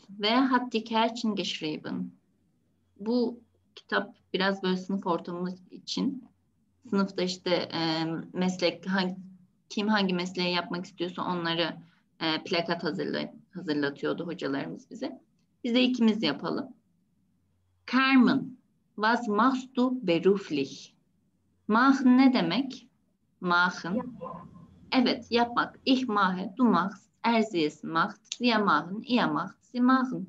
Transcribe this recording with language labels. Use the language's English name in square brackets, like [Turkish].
[German] Wer hat die Kärtchen geschrieben? [Turkish] Bu kitap biraz böyle sınıf ortamımız için. Sınıfta işte meslek, kim hangi mesleği yapmak istiyorsa onları plakat hazırlatıyordu hocalarımız bize. Biz de ikimiz yapalım. [German] Carmen, was machst du beruflich? [Turkish] Machen ne demek? Machen. Evet, yapmak. [German] Ich mache, du machst, er sie es macht, wir machen, ihr macht, sie machen.